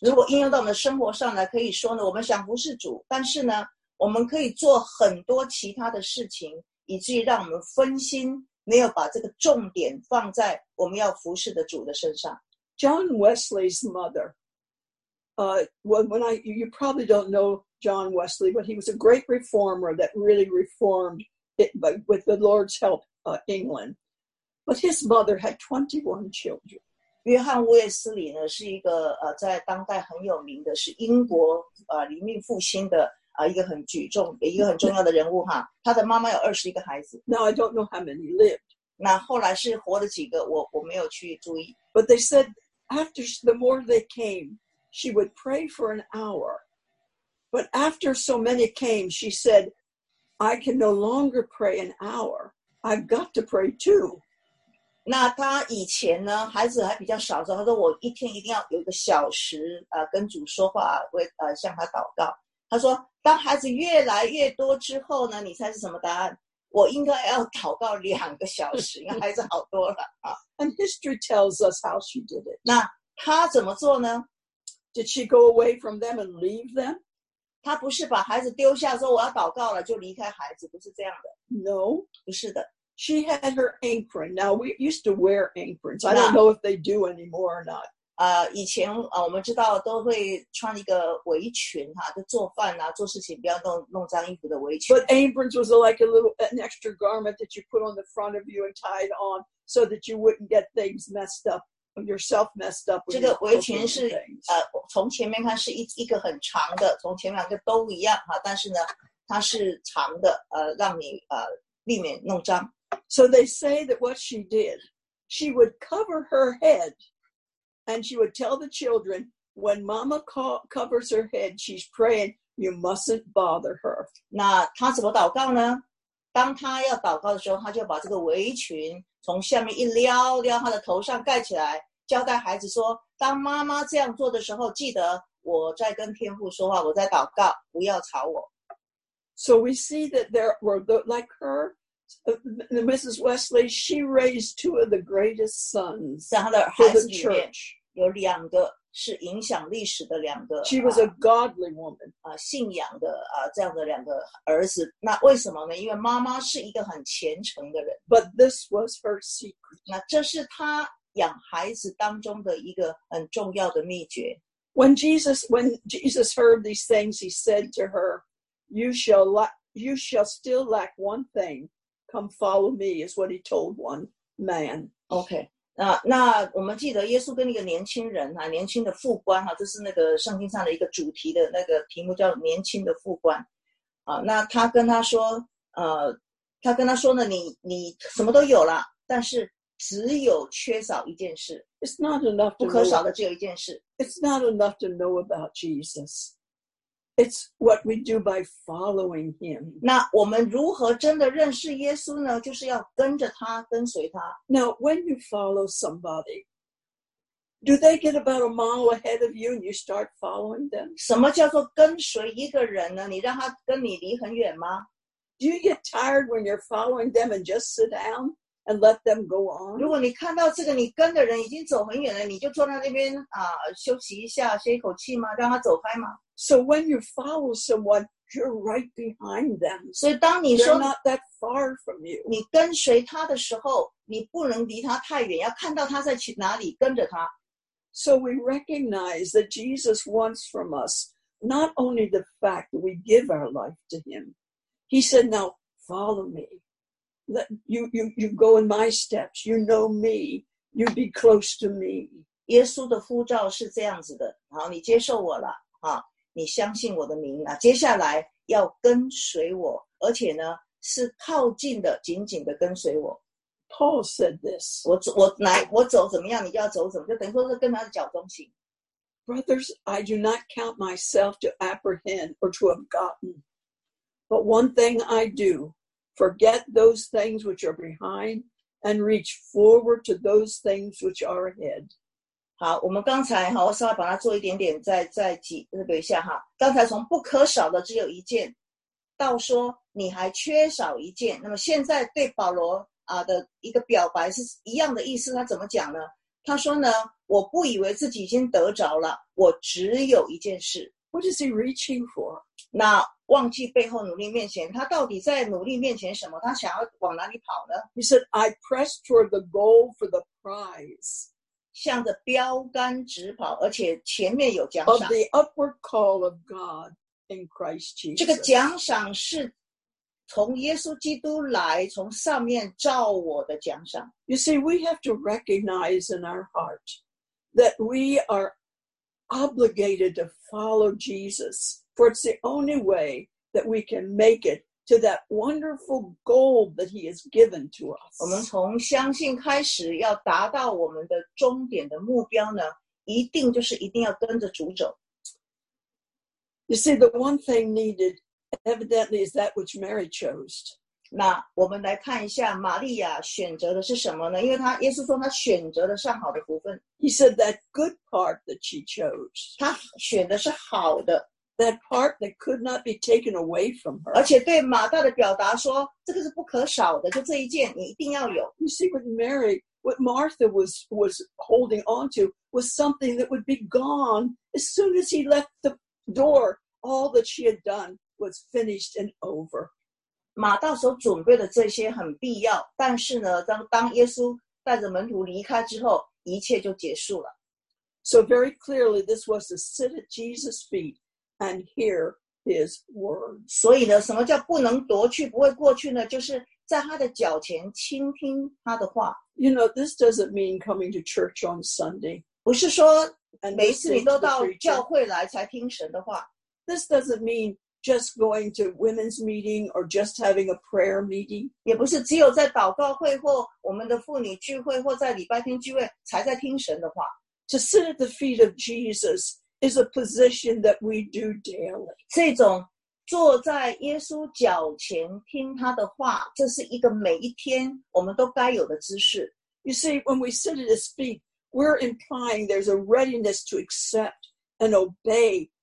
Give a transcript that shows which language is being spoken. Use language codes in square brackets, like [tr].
[zh] 如果应用到我们的生活上呢，可以说呢，我们想服侍主，但是呢，我们可以做很多其他的事情，以至于让我们分心，没有把这个重点放在我们要服侍的主的身上。 [en] John Wesley's mother,you probably don't know John Wesley, but he was a great reformer that really reformed it, but with the Lord's help, England. But his mother had 21 children. [zh] 约翰·威斯里呢是一个在当代很有名的，是英国黎明复兴的一个很举重也一个很重要的人物哈。他的妈妈有二十一个孩子。 [en] Now I don't know how many lived. [zh] 那后来是活了几个，我没有去注意。 [en] But they said after the more they came. She would pray for an hour, but after so many came, she said, I can no longer pray an hour. I've got to pray too. [zh] 那她以前呢，孩子还比较少的时候，她说我一天一定要有一个小时跟主说话，为向他祷告。她说，当孩子越来越多之后呢，你猜是什么答案？我应该要祷告两个小时，因为孩子好多了啊。 [en] And history tells us how she did it. [zh] 那她怎么做呢？ [en] Did she go away from them and leave them? [zh] 她不是把孩子丢下说我要祷告了就离开孩子，不是这样的。 [en] No, [zh] 不是的。 [en] She had her apron. Now we used to wear aprons. I don't know if they do anymore or not. [zh] 以前我们知道都会穿一个围裙哈，就做饭啊做事情不要弄脏衣服的围裙。 [en] But aprons was like a little an extra garment that you put on the front of you and tied on so that you wouldn't get things messed up. Yourself messed up. [zh] 这个围裙是从前面看是一个很长的，从前面两个都一样哈，但是呢，它是长的，让你避免弄脏。 [en] So they say that what she did, she would cover her head, and she would tell the children, when Mama covers her head, she's praying. You mustn't bother her. [zh] 那她怎么祷告呢？当她要祷告的时候，她就把这个围裙。从下面一撩撩他的头上盖起来交代孩子说当妈妈这样做的时候记得我在跟天父说话我在祷告不要吵我。 [en] So we see that there were like her, Mrs. Wesley, she raised two of the greatest sons for the church. [zh] 有两个是影响历史的两个。 [en] She was a godly woman. [zh] 信仰的这样的两个儿子。那为什么呢因为妈妈是一个很虔诚的人。 [en] But this was her secret. [zh] 那这是她养孩子当中的一个很重要的秘诀。 [en] When Jesus heard these things, he said to her, you shall still lack one thing. Come follow me, is what he told one man. Okay. [zh] 那我们记得耶稣跟一个年轻人啊，年轻的副官啊，这是那个圣经上的一个主题的那个题目叫年轻的副官啊。那他跟他说，他跟他说呢，你什么都有了，但是只有缺少一件事。 [en] It's not enough. [zh] 不可少的只有一件事。 [en] It's not enough to know about Jesus. It's what we do by following him. [zh] 那我们如何真的认识耶稣呢？就是要跟着他，跟随他。 [en] Now, when you follow somebody, do they get about a mile ahead of you and you start following them? [zh] 什么叫做跟随一个人呢？你让他跟你离很远吗？ [en] Do you get tired when you're following them and just sit down and let them go on? [zh] 如果你看到这个你跟的人已经走很远了，你就坐在那边休息一下，歇一口气吗？让他走开吗？ [en] So when you follow someone, you're right behind them. [zh] 所以当你说 [en] They're not that far from you. [zh] 你跟随他的时候，你不能离他太远，要看到他在哪里跟着他。 [en] So we recognize that Jesus wants from us not only the fact that we give our life to him. He said, now follow me. You go in my steps. You know me. You be close to me. [zh] 耶稣的呼召是这样子的。好，你接受我了。好。你相信我的名啊，接下来要跟随我，而且呢是靠近的，紧紧的跟随我。 [en] Paul said this. [zh] 我走怎么样，你就要走怎么，就等于说是跟他的脚中心。 [en] Brothers, I do not count myself to apprehend or to have gotten, but one thing I do, forget those things which are behind and reach forward to those things which are ahead. [zh] 好，我们刚才哈，我稍微把它做一点点再提那个一下哈。刚才从不可少的只有一件，到说你还缺少一件。那么现在对保罗啊的一个表白是一样的意思，他怎么讲呢？他说呢，我不以为自己已经得着了，我只有一件事。 [en] What is he reaching for? [zh] 那忘记背后努力面前，他到底在努力面前什么？他想要往哪里跑呢 [en] ？He said, "I press toward the goal for the prize." [zh] 向着标杆直跑，而且前面有奖赏。 [en] Of the upward call of God in Christ Jesus. [zh] 这个奖赏是从耶稣基督来，从上面照我的奖赏。 [en] You see, we have to recognize in our heart that we are obligated to follow Jesus, for it's the only way that we can make it to that wonderful goal that He has given to us. [zh] 我们从相信开始，要达到我们的终点的目标呢，一定就是一定要跟着主走。 [en] You see, the one thing needed. Evidently, is that which Mary chose. [zh] 那我们来看一下玛利亚选择的是什么呢？因为她耶稣说她选择了上好的福分。 [en] He said that good part that she chose. [zh] 她选的是好的。 [en] That part that could not be taken away from her. [zh] 而且对马大的表达说，这个是不可少的，就这一件你一定要有。 [en] You see, with Mary, what Martha was holding on to was something that would be gone as soon as he left the door. All that she had done. Was finished and over. [zh] 马大所准备的这些很必要，但是呢，当耶稣带着门徒离开之后，一切就结束了。 [en] So very clearly, this was to sit at Jesus' feet and hear His words. [zh] 所以呢，什么叫不能夺去、不会过去呢？就是在他的脚前倾听他的话。 [en] You know, this doesn't mean coming to church on Sunday. [zh] 不是说每次你都到教会来才听神的话。 [en] This doesn't mean. Just going to women's meeting or just having a prayer meeting. [zh] 也不是只有在祷告会或我们的妇女聚会或在礼拜天聚会才在听神的话。 [en] To sit at the feet of Jesus is a position that we do daily. [zh] 这种坐在耶稣脚前听他的话，这是一个每一天我们都该有的姿势。 [en] You see, when we sit at his feet, we're implying there's a readiness to accept and obey.